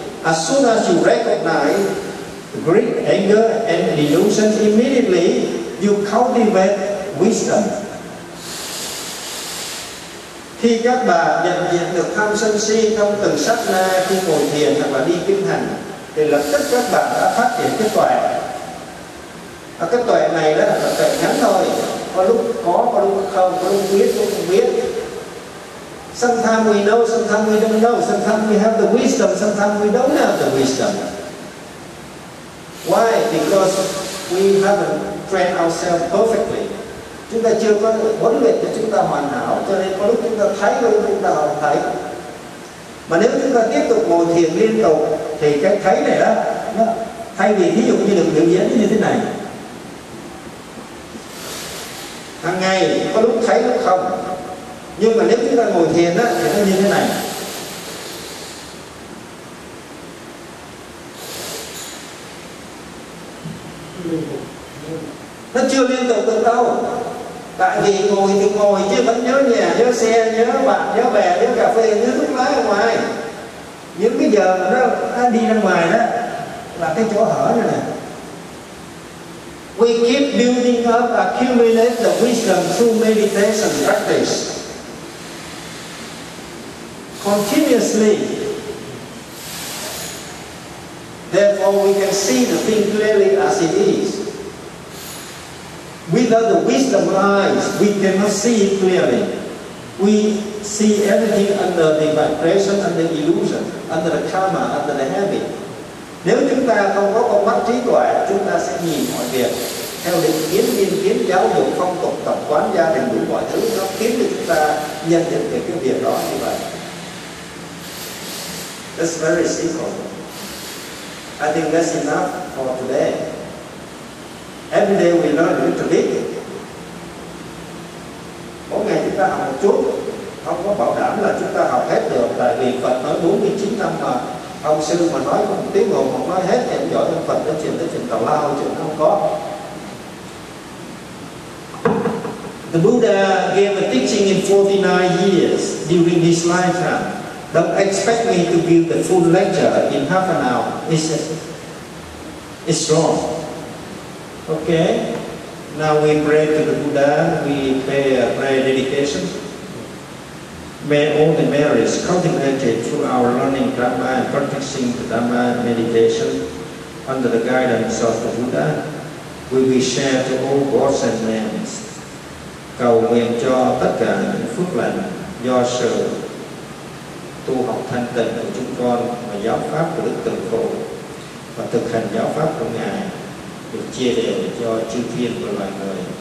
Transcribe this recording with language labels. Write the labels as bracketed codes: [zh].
[en] As soon as you recognize the greed, anger, and illusion, immediately you cultivate wisdom. [vi] Khi các bà nhận diện được tham sân si trong từng sát na khi ngồi thiền hoặc là đi kinh hành, thì lập tức các bạn đã phát triển cái tuệ. Và cái tuệ này đó là tuệ ngắn thôi, có lúc có lúc không, có lúc biết, có lúc không biết. [en] Sometimes we know, sometimes we don't know. Sometimes we have the wisdom, sometimes we don't have the wisdom. Why? Because we haven't trained ourselves perfectly. [vi] Chúng ta chưa có huấn luyện cho chúng ta hoàn hảo, cho nên có lúc chúng ta thấy, có lúc chúng ta không thấy. Mà nếu chúng ta tiếp tục ngồi thiền liên tục, thì cái thấy này đó, nó thay vì ví dụ như được biểu diễn như thế này. Hàng ngày có lúc thấy, lúc không. Nhưng mà nếu chúng ta ngồi thiền đó, thì nó như thế này. Nó chưa liên tục được đâu. Tại vì ngồi thì ngồi, chứ vẫn nhớ nhà, nhớ xe, nhớ bạn, nhớ bè, nhớ cà phê, nhớ thuốc lá ở ngoài. Những cái giờ mà nó đi ra ngoài đó, là cái chỗ hở này nè. [en] We keep building up, accumulate the wisdom through meditation practice. Continuously. Therefore, we can see the thing clearly as it is. Without the wisdom eyes, we cannot see it clearly. We see everything under the vibration, under the illusion, under the karma, under the habit. [vi] Nếu chúng ta không có con mắt trí tuệ, chúng ta sẽ nhìn mọi việc theo định kiến, biên kiến, giáo dục, phong tục, tập quán, gia đình, đủ mọi thứ, nó khiến cho chúng ta nhận thức về cái việc đó như vậy. [en] It's very simple. I think that's enough for today. Every day we learn a little bit. [vi] Mỗi ngày chúng ta học một chút, không có bảo đảm là chúng ta học hết được. Tại vì Phật nói 49 năm mà ông sư mà nói một tiếng ngồi mà nói hết thì em giỏi hơn Phật đã truyền tới trường tào lao chứ không có. [en] The Buddha gave a teaching in 49 years during his lifetime. Don't expect me to give the full lecture in half an hour. It's wrong. Okay, now we pray to the Buddha, we pray a prayer dedication. May all the merits cultivated through our learning Dhamma and practicing the Dhamma meditation under the guidance of the Buddha will be shared to all gods and men. [vi] Cầu nguyện cho tất cả những phước lành do sự tu học thanh tịnh của chúng con và giáo pháp của Đức Từ Phụ và thực hành giáo pháp của Ngài được chia đều cho chư thiên và loài người.